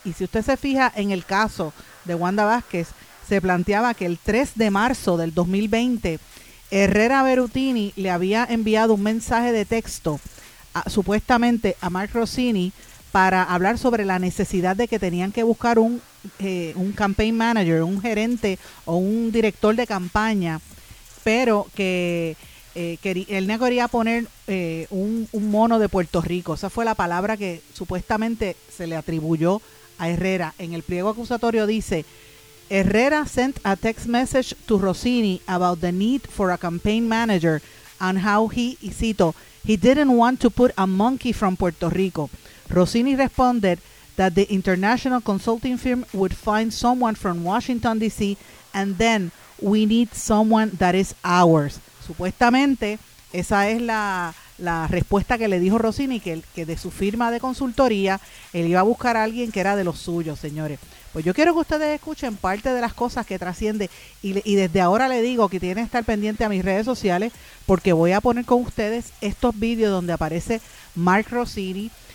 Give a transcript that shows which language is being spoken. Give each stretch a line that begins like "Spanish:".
Spanish: Y si usted se fija en el caso de Wanda Vázquez, se planteaba que el 3 de marzo del 2020, Herrera Bellutini le había enviado un mensaje de texto supuestamente a Mark Rosini para hablar sobre la necesidad de que tenían que buscar un campaign manager, un gerente o un director de campaña, pero que él no quería poner un mono de Puerto Rico. Esa fue la palabra que supuestamente se le atribuyó a Herrera. En el pliego acusatorio dice:
English: Herrera sent a text message to Rosini about the need for a campaign manager and how he,
Spanish: y cito,
English: he didn't want to put a monkey from Puerto Rico. Rosini responded that the international consulting firm would find someone from Washington, D.C., and then we need someone that is ours.
Spanish: Supuestamente, esa es la respuesta que le dijo Rossini, que de su firma de consultoría, él iba a buscar a alguien que era de los suyos, señores. Pues yo quiero que ustedes escuchen parte de las cosas que trasciende, y desde ahora le digo que tienen que estar pendiente a mis redes sociales, porque voy a poner con ustedes estos vídeos donde aparece Mark Rossini,